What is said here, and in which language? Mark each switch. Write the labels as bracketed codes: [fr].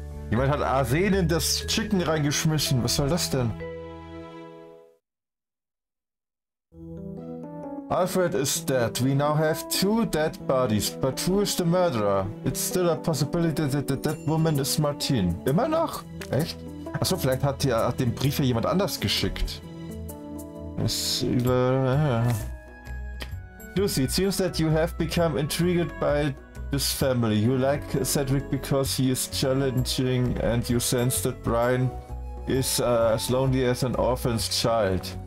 [de] Jemand hat Arsen in das Chicken reingeschmissen. Was soll das denn? [en] Alfred is dead. We now have two dead bodies. But who is the murderer? It's still a possibility that the dead woman is Martine. [de] Immer noch? Echt? Achso, vielleicht hat er den Brief ja jemand anders geschickt. [en] Lucy, it seems that you have become intrigued by this family. You like Cedric because he is challenging and you sense that Brian is as lonely as an orphan's child.